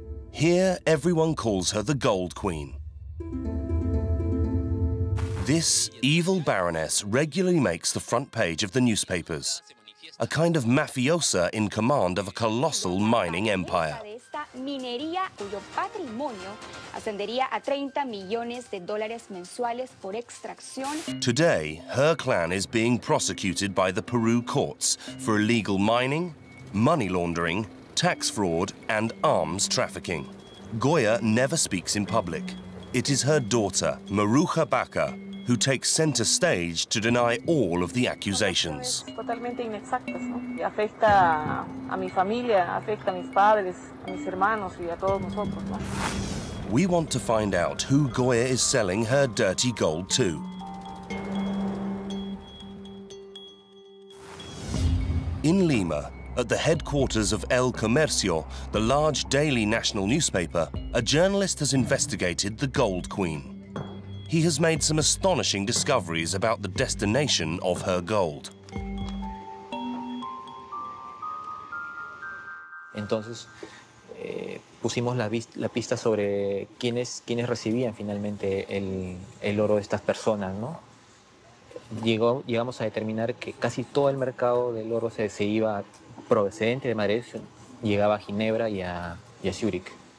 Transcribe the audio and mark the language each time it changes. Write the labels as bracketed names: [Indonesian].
[English] Here, everyone calls her the Gold Queen. This evil baroness regularly makes the front page of the newspapers, a kind of mafiosa in command of a colossal mining empire. [Spanish] Minería cuyo patrimonio ascendería a 30 millones de dólares mensuales por extracción. [English] Today, her clan is being prosecuted by the Peru courts for illegal mining, money laundering, tax fraud, and arms trafficking. Goya never speaks in public. It is her daughter, Maruja Baca, who takes center stage to deny all of the accusations. [Spanish] Totalmente inexactas, ¿no? Afecta a mi familia, afecta a mis padres, a mis hermanos y a todos nosotros, ¿no? [English] We want to find out who Goya is selling her dirty gold to. In Lima, at the headquarters of El Comercio, the large daily national newspaper, a journalist has investigated the Gold Queen. He has made some astonishing discoveries about the destination of her gold. [Spanish] Entonces, pusimos la pista sobre quiénes recibían finalmente el oro de estas personas, ¿no? Llegamos a determinar que casi todo el mercado del oro se iba procedente de Madrid, llegaba a Ginebra y a Zurich.